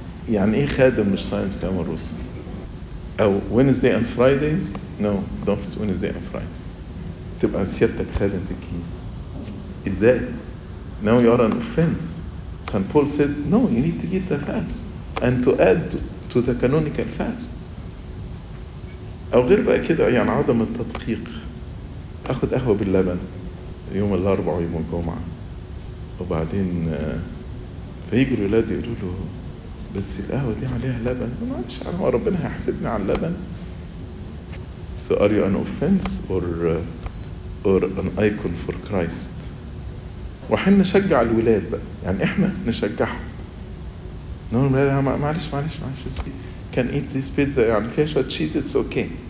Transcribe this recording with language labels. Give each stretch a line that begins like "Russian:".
Arabic: يعني إيه خادم مش صايم صيام الرسل؟ أو
English: Wednesday and Fridays? No, don't fast Wednesday and Fridays.
Arabic: تبقى سيادتك خادم في الكنيسة. إزاي؟
English: Now you are an offense. St. Paul said, no, you need to keep the fast and to add to the canonical fast.
Arabic: أو غير بقى كده, يعني عدم التدقيق. أخذ قهوة باللبن يوم الأربعاء ويوم الجمعة. وبعدين فييجوا الولاد يقولوا له, بس في القهوة دي عليها لبن, ما عادش عارف ربنا هيحاسبني على اللبن.
English: So are you an offense or an icon for Christ?
Arabic: وحن نشجع الولاد بقى, يعني احنا نشجعهم. نقول الولاد معلش
English: can eat this pizza,
Arabic: يعني فيها شوية
English: cheese, it's okay.